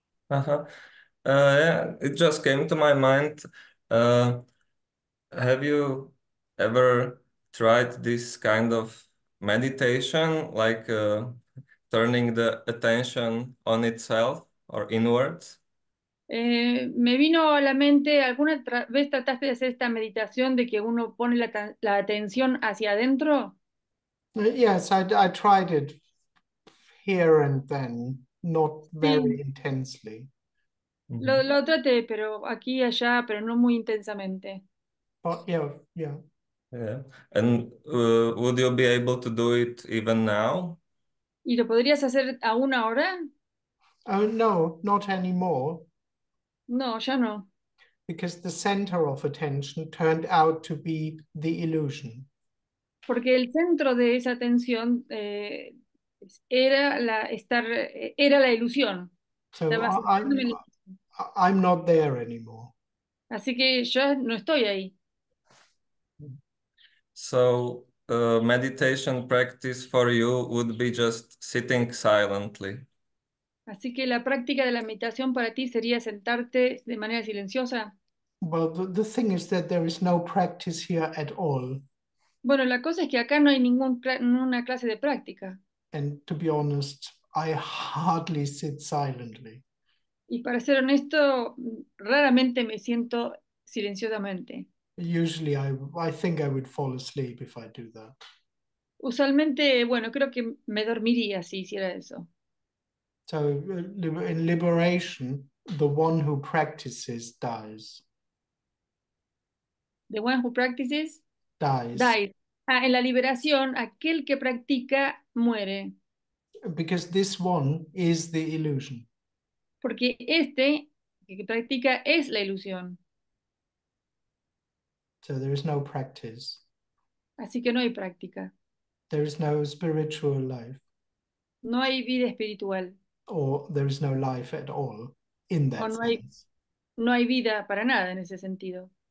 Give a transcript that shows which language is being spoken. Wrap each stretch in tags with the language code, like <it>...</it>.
<en>Yeah, it just came to my mind. Have you ever tried this kind of meditation, like turning the attention on itself or inwards?</en> <es>Me vino a la mente, ¿alguna tra vez trataste de hacer esta meditación de que uno pone la atención hacia adentro?</es> <en>Yes, I tried it here and then, not very</en> <es>Sí.</es> <en>intensely.</en> <es>Lo traté, pero aquí y allá, pero no muy intensamente.</es> <en>But yeah. And would you be able to do it even now?</en> <es>¿Y lo podrías hacer aún ahora?</es> <en>Oh no, not anymore.</en> <es>No, ya no.</es> <en>Because the center of attention turned out to be the illusion.</en> <es>Porque el centro de esa atención era era la ilusión.</es> <en>So</en> <es>Estaba centrándome en la ilusión.</es> <en>I'm not there anymore.</en> <es>Así que ya no estoy ahí.</es> <en>So, meditation practice for you would be just sitting silently.</en> <es>Así que la práctica de la meditación para ti sería sentarte de manera silenciosa.</es> <en>Well, the thing is that there is no practice here at all.</en> <es>Bueno, la cosa es que acá no hay ninguna clase de práctica.</es> <en>And to be honest, I hardly sit silently.</en> <es>Y para ser honesto, raramente me siento silenciosamente.</es> <en>Usually I think I would fall asleep if I do that.</en> <es>Usualmente, bueno, creo que me dormiría si hiciera eso.</es> <en>So in liberation, the one who practices dies. The one who practices Dies. dies.</en> <es>Ah, en la liberación, aquel que practica muere.</es> <en>Because this one is the illusion.</en> <es>Porque este que practica es la ilusión.</es> <en>So there is no practice.</en> <es>Así que no hay práctica.</es> <en>There is no spiritual life.</en> <es>No hay vida espiritual.</es> <en>Or there is no life at all in</en> <es>O</es> <en>that sense.</en> <es>no hay vida para nada en ese sentido.</es>